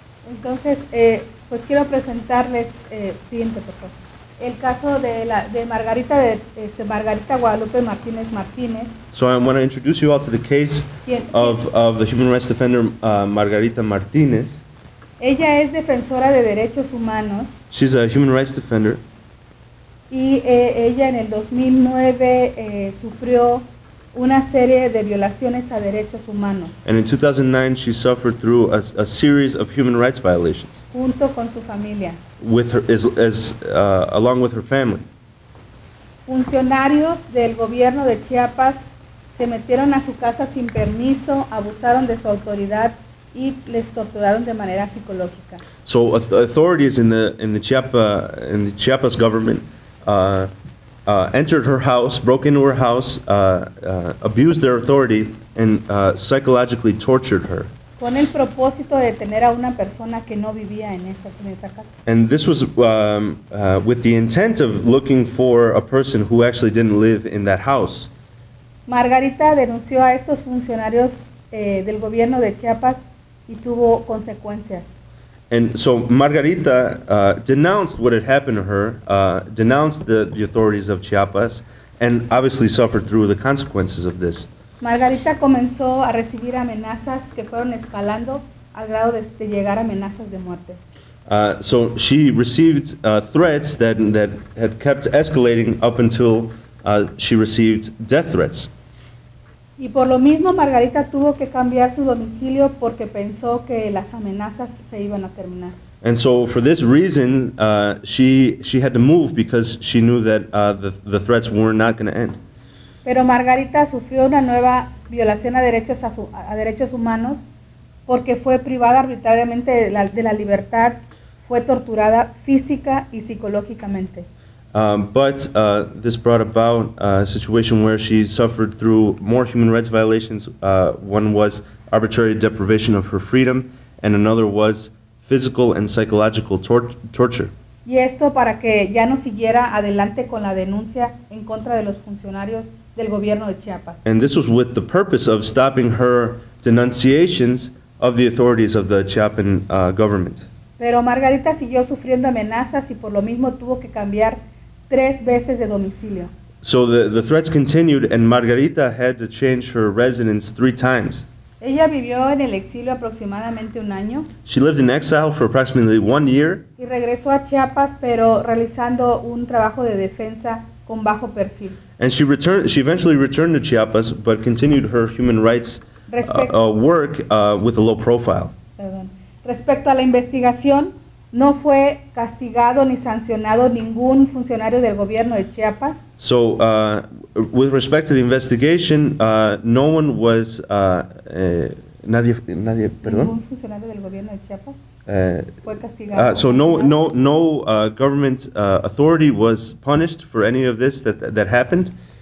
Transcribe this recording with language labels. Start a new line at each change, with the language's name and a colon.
Spanish: Entonces, pues quiero presentarles siguiente, por favor. El caso de Margarita Margarita Guadalupe Martínez Martínez.
English: So I want to introduce you all to the case of the human rights defender Margarita Martínez.
Spanish: Ella es defensora de derechos humanos.
English: She's a human rights defender.
Spanish: Y ella en el 2009 sufrió una serie de violaciones a derechos humanos.
English: And in 2009 she suffered through a series of human rights violations.
Spanish: Junto con su familia.
English: With her, along with her family.
Spanish: Funcionarios del gobierno de Chiapas se metieron a su casa sin permiso, abusaron de su autoridad y les torturaron de manera psicológica.
English: So authorities in the Chiapas government entered her house, broke into her house, abused their authority, and psychologically tortured her.
Spanish: Con el propósito de tener a una persona que no vivía en esa casa.
English: And this was with the intent of looking for a person who actually didn't live in that house.
Spanish: Margarita denunció a estos funcionarios del gobierno de Chiapas y tuvo consecuencias.
English: And so Margarita denounced what had happened to her, denounced the authorities of Chiapas, and obviously suffered through the consequences of this.
Spanish: Margarita comenzó a recibir amenazas que fueron escalando al grado de llegar a amenazas de muerte.
English: So she received threats that had kept escalating up until she received death threats.
Spanish: Y por lo mismo Margarita tuvo que cambiar su domicilio porque pensó que las amenazas se iban a terminar.
English: And so for this reason, she had to move because she knew that the threats were not going to end.
Spanish: Pero Margarita sufrió una nueva violación a derechos a derechos humanos porque fue privada arbitrariamente de la libertad, fue torturada física y psicológicamente.
English: But this brought about a situation where she suffered through more human rights violations. One was arbitrary deprivation of her freedom, and another was physical and psychological torture.
Spanish: Y esto para que ya no siguiera adelante con la denuncia en contra de los funcionarios del gobierno de Chiapas.
English: And this was with the purpose of stopping her denunciations of the authorities of the Chiapan government.
Spanish: Pero Margarita siguió sufriendo amenazas y por lo mismo tuvo que cambiar tres veces de domicilio.
English: So the threats continued and Margarita had to change her residence three times.
Spanish: Ella vivió en el exilio aproximadamente un año.
English: She lived in exile for approximately 1 year.
Spanish: Y regresó a Chiapas pero realizando un trabajo de defensa con bajo perfil.
English: And she eventually returned to Chiapas but continued her human rights work with a low profile.
Spanish: Perdón. Respecto a la investigación, no fue castigado ni sancionado ningún funcionario del gobierno de Chiapas.
English: So, with respect to the investigation, no one was,
Spanish: nadie, perdón. Ningún funcionario del gobierno de Chiapas fue castigado.
English: No government authority was punished for any of this that happened.